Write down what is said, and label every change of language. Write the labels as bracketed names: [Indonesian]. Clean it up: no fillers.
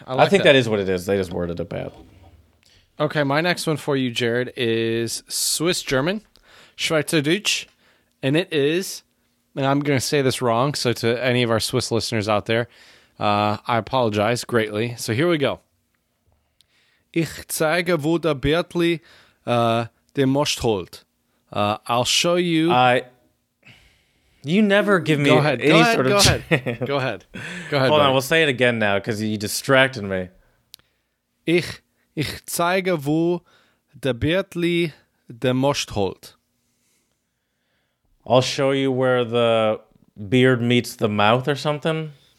[English] I think that is what it is. They just worded it bad. Okay. My next one for you, Jared, is Swiss German, Schweizerdeutsch. And it is, and I'm going to say this wrong, so to any of our Swiss listeners out there, I apologize greatly. So, here we go. [German] Ich zeige, wo der Bärtli den Most holt. [English] I'll show you. You never give me Go ahead. Go ahead. Go ahead. Hold on. We'll say it again now because you distracted me. [German] Ich zeige, wo der Bärtli den Most holt. [English] I'll show you where the beard meets the mouth or something.